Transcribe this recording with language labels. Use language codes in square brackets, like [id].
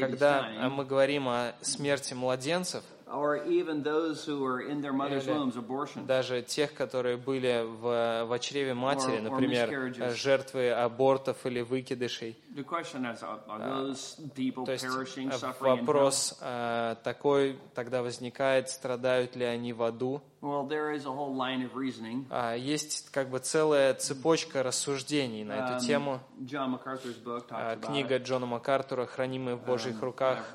[ru] когда мы говорим о смерти младенцев, [en] or even those who are in their mother's wombs, abortions, [ru] даже тех, которые были в чреве матери, например, жертвы абортов или выкидышей. [en] The question is, are those people perishing, suffering? [ru] То есть вопрос такой тогда возникает: страдают ли они в аду? [en] Well, there is a whole line of reasoning. [ru] Есть как бы целая цепочка рассуждений на эту тему. [en] John MacArthur's book talks about. [ru] Книга Джона МакАртура «Хранимые в Божьих руках».